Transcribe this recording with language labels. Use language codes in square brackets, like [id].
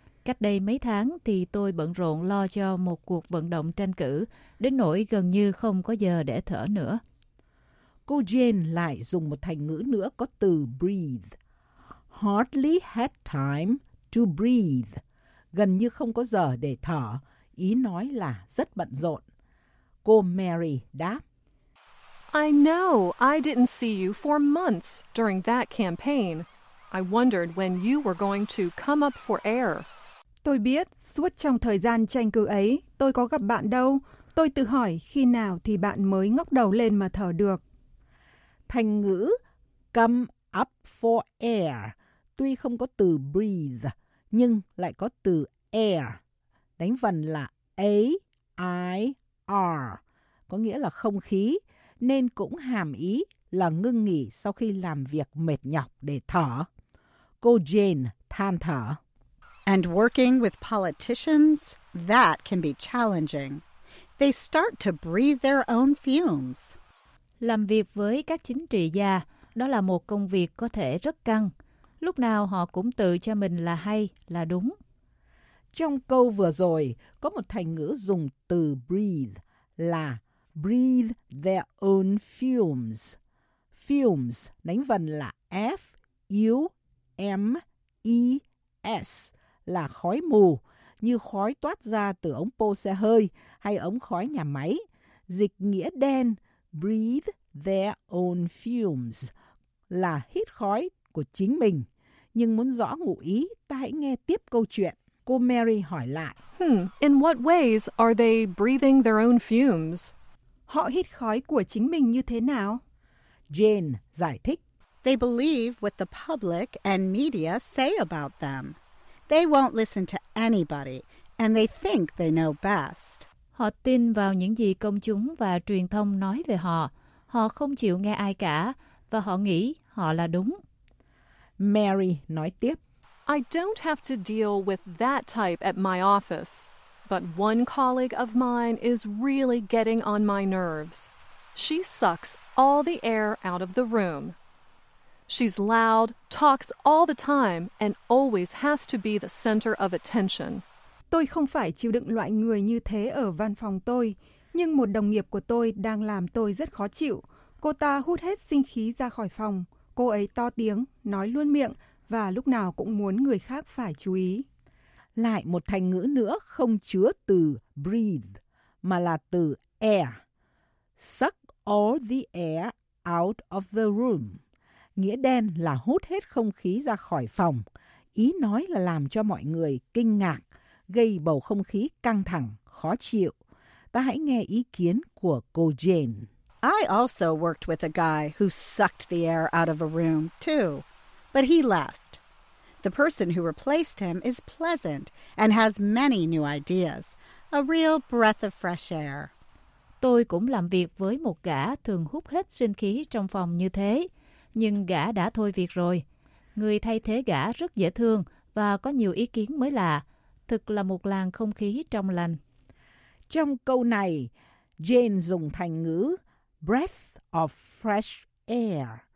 [vi] Cách đây mấy tháng thì tôi bận rộn lo cho một cuộc vận động tranh cử, đến nỗi gần như không có giờ để thở nữa. Cô Jane lại dùng một thành ngữ nữa có từ breathe. [en] Hardly had time to breathe. [vi] Gần như không có giờ để thở, ý nói là rất bận rộn. Cô Mary đáp. [en] I know I didn't see you for months during that campaign. I wondered when you were going to come up for air. [vi] Tôi biết suốt trong thời gian tranh cử ấy, tôi có gặp bạn đâu. Tôi tự hỏi khi nào thì bạn mới ngóc đầu lên mà thở được. Thành ngữ [en] come up for air [vi] tuy không có từ breathe, nhưng lại có từ air, đánh vần là A-I-R, có nghĩa là không khí, nên cũng hàm ý là ngưng nghỉ sau khi làm việc mệt nhọc để thở. Cô Jane than thở. [en] And working with politicians, that can be challenging. They start to breathe their own fumes. [vi] Làm việc với các chính trị gia, đó là một công việc có thể rất căng. Lúc nào họ cũng tự cho mình là hay, là đúng. Trong câu vừa rồi, có một thành ngữ dùng từ breathe là [en] breathe their own fumes. [vi] Fumes đánh vần là F-U-M-E-S là khói mù, như khói toát ra từ ống pô xe hơi hay ống khói nhà máy. Dịch nghĩa đen, [en] breathe their own fumes [vi] là hít khói của chính mình. Nhưng muốn rõ ngụ ý, ta hãy nghe tiếp câu chuyện. Cô Mary hỏi lại. [en] In what ways are they breathing their own fumes? [vi] Họ hít khói của chính mình như thế nào? Jane giải thích. [en] They believe what the public and media say about them. They won't listen to anybody, and they think they know best. [vi] Họ tin vào những gì công chúng và truyền thông nói về họ. Họ không chịu nghe ai cả, và họ nghĩ họ là đúng. Mary nói tiếp. [en] I don't have to deal with that type at my office, but one colleague of mine is really getting on my nerves. She sucks all the air out of the room. She's loud, talks all the time, and always has to be the center of attention. [vi] Tôi không phải chịu đựng loại người như thế ở văn phòng tôi, nhưng một đồng nghiệp của tôi đang làm tôi rất khó chịu. Cô ta hút hết sinh khí ra khỏi phòng. Cô ấy to tiếng, nói luôn miệng và lúc nào cũng muốn người khác phải chú ý. Lại một thành ngữ nữa không chứa từ breathe mà là từ air. [en] Suck all the air out of the room. [vi] nghĩa đen là hút hết không khí ra khỏi phòng, ý nói là làm cho mọi người kinh ngạc, gây bầu không khí căng thẳng, khó chịu. Ta hãy nghe ý kiến của cô Jane. [en] I also worked with a guy who sucked the air out of a room, too. But he left. The person who replaced him is pleasant and has many new ideas. A real breath of fresh air. [vi] Tôi cũng làm việc với một gã thường hút hết sinh khí trong phòng như thế. Nhưng gã đã thôi việc rồi. Người thay thế gã rất dễ thương và có nhiều ý kiến mới lạ. Thực là một làng không khí trong lành. Trong câu này, Jane dùng thành ngữ [en] breath of fresh air.